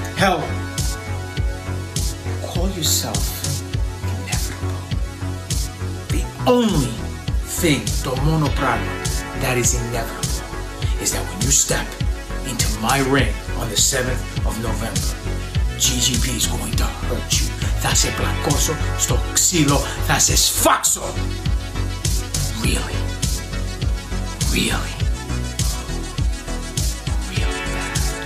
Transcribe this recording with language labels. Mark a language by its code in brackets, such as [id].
[en] Hell, yourself inevitable. The only thing, Domono Prado, that is inevitable is that when you step into my ring on the 7th of November, GGP is going to hurt you. [el] Θα σε πλακώσω στο ξύλο, θα σε σφάξω. [en] Really, really, really bad.